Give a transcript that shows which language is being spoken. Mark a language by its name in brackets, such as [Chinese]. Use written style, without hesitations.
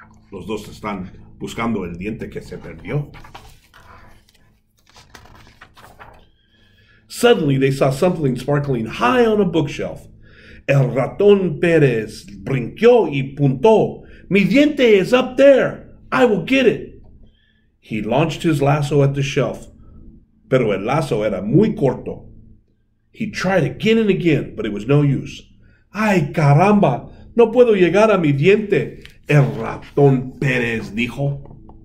[Spanish] Los dos están buscando el diente que se perdió. [English] Suddenly, they saw something sparkling high on a bookshelf. [Spanish] El Raton Perez brinqueó y puntó. Mi diente [English] is up there. I will get it. He launched his lasso at the shelf, [Spanish] pero el lasso era muy corto. [English] He tried again and again, but it was no use. [Spanish] Ay, caramba, no puedo llegar a mi diente, el Raton Perez dijo.